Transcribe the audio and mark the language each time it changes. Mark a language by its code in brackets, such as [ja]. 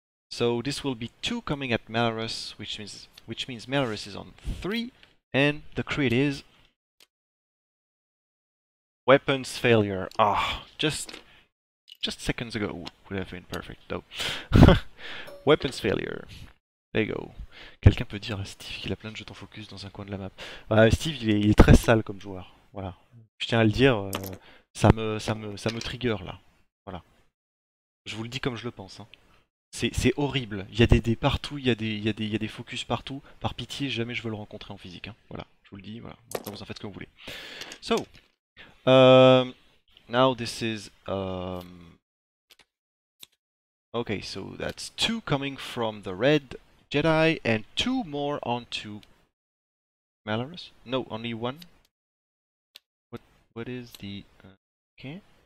[en] So this will be 2 coming at Malorus, which means Malorus is on 3, and the crit is weapons failure. Ah, just seconds ago would have been perfect, though. Weapons failure. There you go. [fr] Quelqu'un peut dire à Steve qu'il a plein de jetons focus dans un coin de la map. Steve, il est très sale comme joueur. Voilà. Je tiens à le dire, ça me trigger là. Voilà. Je vous le dis comme je le pense. Hein. C'est horrible. Il y a des dés partout, il y a des focus partout. Par pitié, jamais je veux le rencontrer en physique. Hein. Voilà. Je vous le dis. Voilà. Maintenant, vous en faites ce que vous voulez. [en] So. Now this is okay, so that's 2 coming from the red Jedi and 2 more onto Malorus. No, only 1. What is the okay?